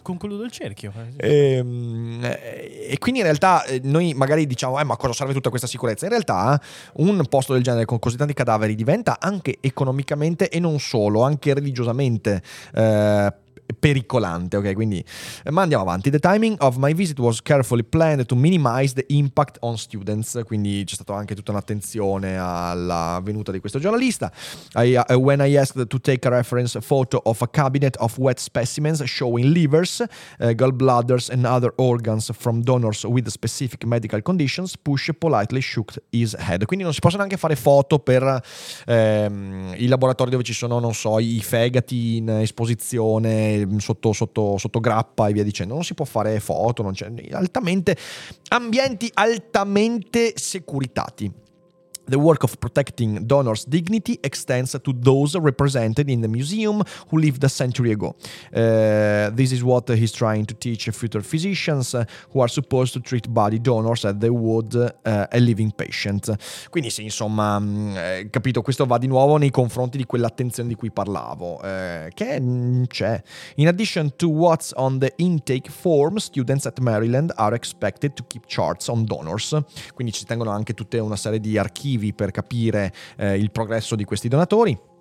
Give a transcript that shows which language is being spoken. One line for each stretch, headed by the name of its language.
Italian: Concludo il cerchio. E quindi in realtà noi magari diciamo, ma cosa serve tutta questa sicurezza? In realtà un posto del genere con così tanti cadaveri diventa anche economicamente e non solo, anche religiosamente pericolante, ok? Quindi, ma andiamo avanti.
English: The timing of my visit was carefully planned to minimize the impact on students.
Italian: Quindi c'è stata anche tutta un'attenzione alla venuta di questo giornalista.
English: When I asked to take a reference photo of a cabinet of wet specimens showing livers, gallbladders and other organs from donors with specific medical conditions, Push politely shook his head.
Italian: Quindi non si possono neanche fare foto per il laboratorio dove ci sono, non so, i fegati in esposizione sotto grappa e via dicendo, non si può fare foto, non c'è, altamente, ambienti altamente securitati.
English: The work of protecting donors' dignity extends to those represented in the museum who lived a century ago. This is what he's trying to teach future physicians who are supposed to treat body donors as they would a living patient.
Italian: Quindi sì, insomma, capito, questo va di nuovo nei confronti di quell'attenzione di cui parlavo, che c'è.
English: In addition to what's on the intake form, students at Maryland are expected to keep charts on donors.
Italian: Quindi ci tengono anche tutta una serie di archivi per capire il progresso di questi donatori.